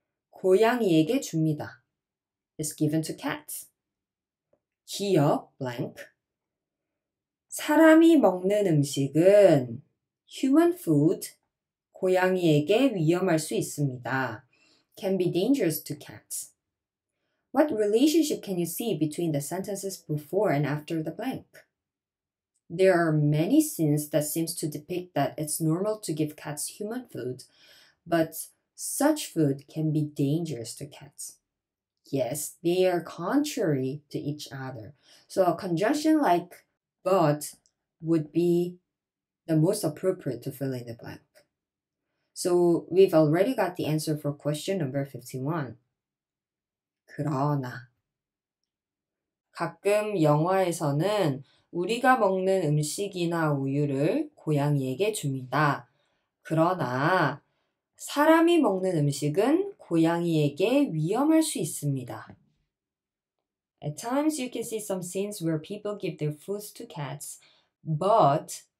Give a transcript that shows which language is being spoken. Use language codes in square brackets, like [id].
[ko] 고양이에게 줍니다. [en] It's given to cats. [ko] 기억, blank. 사람이 먹는 음식은 [en] human food [ko] 고양이에게 위험할 수 있습니다. [en] Can be dangerous to cats. What relationship can you see between the sentences before and after the blank? There are many scenes that seem to depict that it's normal to give cats human food, but such food can be dangerous to cats. Yes, they are contrary to each other. So a conjunction like but would be the most appropriate to fill in the blank. So we've already got the answer for question number 51. [ko] 그러나 가끔 영화에서는 우리가 먹는 음식이나 우유를 고양이에게 줍니다. 그러나 사람이 먹는 음식은 고양이에게 위험할 수 있습니다. [en] At times, you can see some scenes where people give their food to cats, but